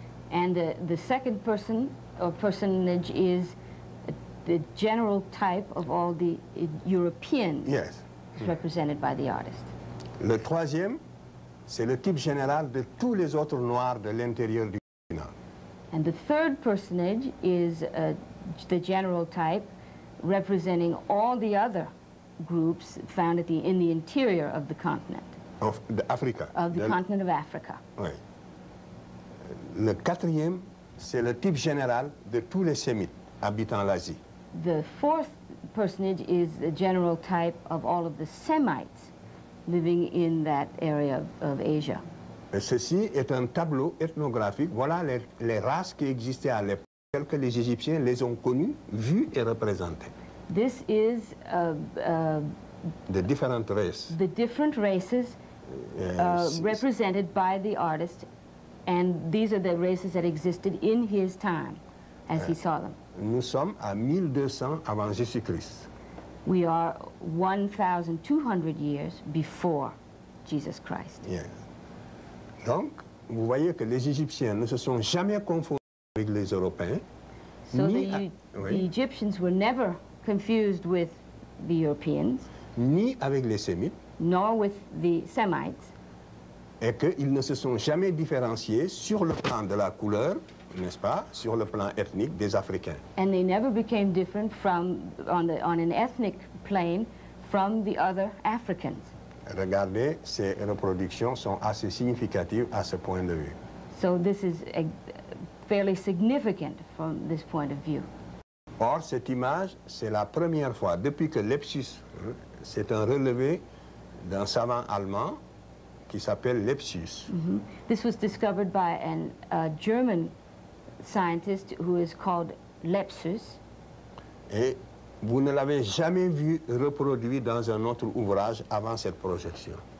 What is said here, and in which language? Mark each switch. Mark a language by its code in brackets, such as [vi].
[en] And the second person or personage is the general type of all the Europeans. Yes. Represented by the artist. [fr] Le troisième, c'est le type général de tous les autres noirs de l'intérieur du continent. [en] And the third personage is the general type representing all the other groups found at in the interior of the continent. Of the Africa. Of the continent of Africa. [fr] Oui. Le quatrième, c'est le type général de tous les Sémites habitant l'Asie. [en] The fourth personage is the general type of all of the Semites living in that area of Asia. [fr] Ceci est un tableau ethnographique. Voilà les races qui existaient à l'époque, telles que les Égyptiens les ont connues, vues et représentées. [en] This is the different races. The different races represented by the artist, and these are the races that existed in his time as he saw them. [fr] Nous sommes à 1200 avant Jésus-Christ. [en] We are 1,200 years before Jesus Christ. Yeah. [fr] Donc, vous voyez que les Égyptiens ne se sont jamais confondus avec les Européens. [en] So the Egyptians were never confused with the Europeans. [fr] Ni avec les Sémites. [en] Nor with the Semites. [fr] Et qu'ils ne se sont jamais différenciés sur le plan de la couleur, n'est-ce pas, sur le plan ethnique des Africains. [en] And they never became different from, on an ethnic plane, from the other Africans. [fr] Regardez, ces reproductions sont assez significatives à ce point de vue. [en] So this is fairly significant from this point of view. [fr] Or, cette image, c'est la première fois depuis que Lepsius, c'est un relevé d'un savant allemand qui s'appelle Lepsius. Mm-hmm. [en] This was discovered by a German scientist who is called Lepsius. [fr] Et vous ne l'avez jamais vu reproduit dans un autre ouvrage avant cette projection.